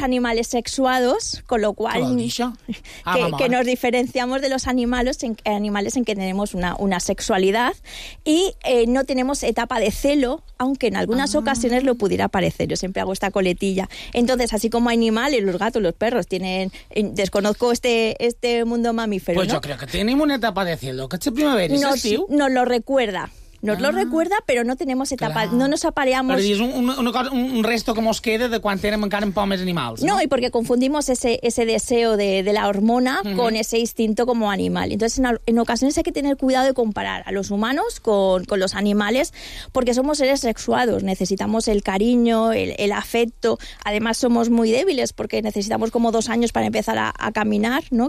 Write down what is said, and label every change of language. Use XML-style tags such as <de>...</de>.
<es>animales sexuados, con lo cual... Que nos diferenciamos de los animales en que tenemos una sexualidad y no tenemos etapa de celo, aunque en algunas ocasiones lo pudiera parecer. Yo siempre hago esta coletilla. Entonces, así como animales, los gatos, los perros, tienen... Desconozco este mundo mamífero, pues ¿no? Yo creo que tenemos una etapa de celo, que es primavera, ¿es así? Nos lo recuerda. Nos lo recuerda, pero no tenemos etapa,</es> <ca>clar.</ca> <es>No nos apareamos...</es> <ca>Però és un resto que mos queda de quan érem encara un poc més animals.</ca> <es>No,</es> <ca>i perquè</ca> <es>confundimos ese deseo de la hormona con ese instinto como animal. Entonces, en ocasiones hay que tener cuidado de comparar a los humanos con los animales, porque somos seres sexuados, necesitamos el cariño, el afecto. Además, somos muy débiles porque necesitamos como 2 años para empezar a caminar, ¿no?</es>